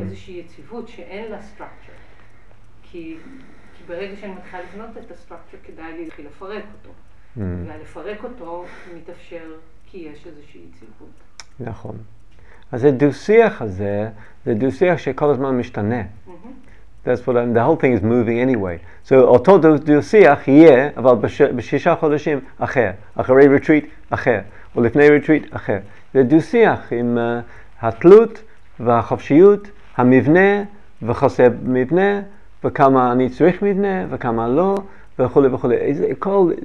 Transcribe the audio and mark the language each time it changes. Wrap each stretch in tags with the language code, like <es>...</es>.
<he>איזושהי יציבות שאין לה structure. כי ברגע שאני מתחילה לבנות את הסטרקצ'ר, כדאי לי להתחיל לפרק אותו. והלפרק אותו מתאפשר כי יש איזושהי יציבות. נכון. אז הדו-שיח הזה, זה דו-שיח שכל הזמן משתנה.</he> <en>That's what the whole thing is moving anyway.</en> <he>So אותו דו-שיח יהיה, אבל בשישה חודשים אחר. אחרי רטריט אחר. או לפני רטריט אחר. זה דו-שיח עם התלות והחופשיות, המבנה וחוסר מבנה, וכמה אני צריך מבנה, וכמה לא, וכו' וכו'.</he>